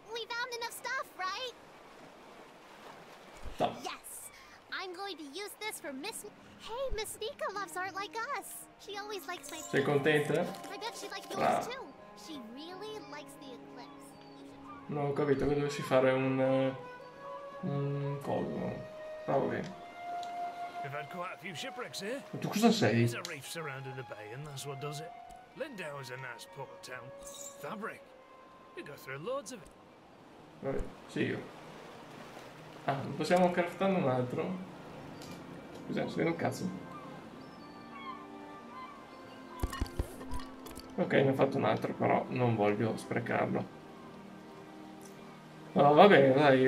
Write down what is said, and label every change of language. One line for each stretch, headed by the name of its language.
English: We found enough stuff, right? Stop. Yes. I'm going to use this for Miss. Hey, Miss Nika loves art like us. She always likes my.
Italian: Sei contenta?
English: I bet she likes yours too. She really likes the eclipse.
Italian: No, ho capito che dovessi fare un collo. Vabbè.
English: We've had quite a few shipwrecks here.
Italian: Ma tu cosa sei?
English: There's a reef surrounding the bay, and that's what does it. Lindau is a nice port town. Fabric. You go through loads of it.
Italian: Vabbè, sì, io. Ah, possiamo craftare un altro? Cos'è? Si vede un cazzo. Ok, ne ho fatto un altro, però non voglio sprecarlo. Oh, vabbè, dai.